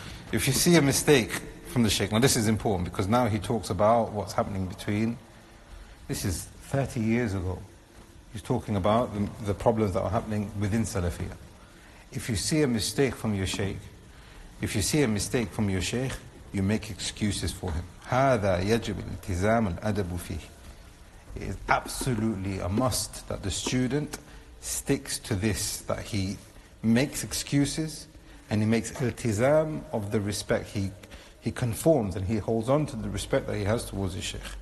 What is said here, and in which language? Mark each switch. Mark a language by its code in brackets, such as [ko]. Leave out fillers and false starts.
[en] If you see a mistake from the sheikh, now this is important because now he talks about what's happening between, this is 30 years ago, he's talking about the problems that are happening within Salafia. If you see a mistake from your sheikh, if you see a mistake from your sheikh, you make excuses for him. [ar] هذا يجب الالتزام الأدب فيه. [en] It is absolutely a must that the student sticks to this, that he makes excuses and he makes التزام of the respect. He conforms and he holds on to the respect that he has towards his sheikh.